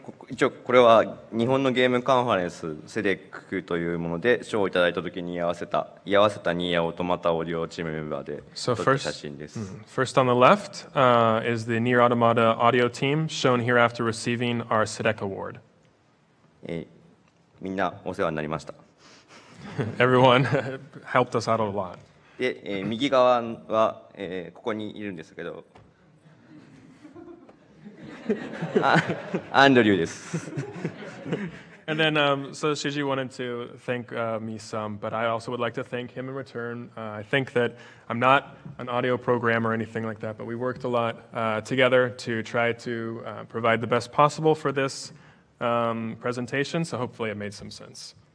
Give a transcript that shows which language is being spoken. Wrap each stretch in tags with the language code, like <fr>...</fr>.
<ja>一応これは日本のゲームカンファレンスセデックというもので賞をいただいた時に居合わせたニーヤ・オートマタオーディオチームメンバーで撮った写真です。</ja> <en>First on the left, is the Nier Automata audio team shown here after receiving our SEDEC award.</en> <ja>みんなお世話になりました。</ja> <en>Everyone helped us out a lot.</en> <ja>で、右側は、ここにいるんですけどアンドリューです。</ja> <en>And then, so Shiji wanted to thank me some, but I also would like to thank him in return. I think that I'm not an audio programmer or anything like that, but we worked a lot together to try to provide the best possible for this presentation, so hopefully it made some sense.</en>